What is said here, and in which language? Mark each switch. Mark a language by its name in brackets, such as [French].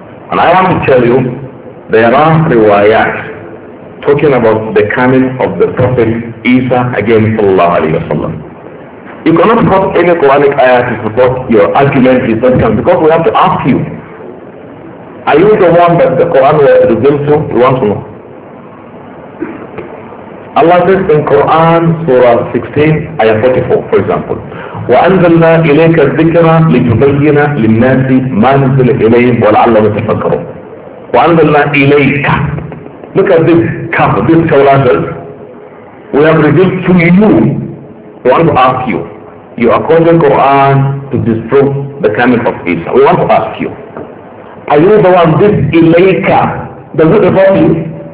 [English] And I want to tell you, there are riwayat talking about the coming of the Prophet Isa again, sallallahu alayhi wa sallam. You cannot quote any Quranic ayat to support your argument is not coming, because we have to ask you, are you the one that the Quran was revealed to? You want to know? Allah says in Quran Surah 16, Ayah 44, for example, [Arabic] وَأَنْزَلْنَا إِلَيْكَ الذِّكْرَ لِتُبَيِّنَ لِلنَّاسِ مَا نُزِّلَ إِلَيْهِمْ وَلَعَلَّهُمْ يَتَفَكَّرُونَ. وَأَنْزَلْنَا إِلَيْكَ, [English] look at this cup, this calendar, we have revealed to you. We want to ask you, you are quoting Quran to disprove the coming of Isa. We want to ask you, are you the one, this إِلَيْكَ, does it refer to you?